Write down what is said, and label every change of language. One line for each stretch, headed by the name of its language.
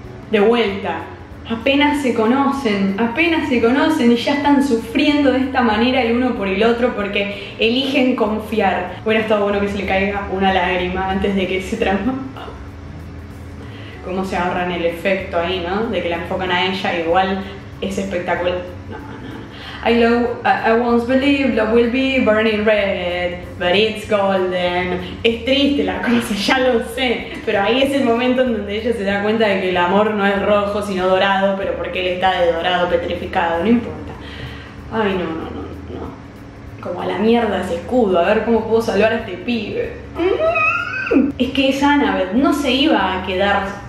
Spanish: De vuelta. Apenas se conocen y ya están sufriendo de esta manera el uno por el otro porque eligen confiar. Hubiera estado bueno que se le caiga una lágrima antes de que se trama. Cómo se ahorran el efecto ahí, ¿no? De que la enfocan a ella, igual es espectacular. No.
English: I once believed love will be burning red, but it's golden.
Spanish: Es triste la cosa, ya lo sé. Pero ahí es el momento en donde ella se da cuenta de que el amor no es rojo, sino dorado, pero porque él está de dorado petrificado, no importa. Ay, no. Como a la mierda ese escudo, a ver cómo puedo salvar a este pibe. Es que es Annabeth, no se iba a quedar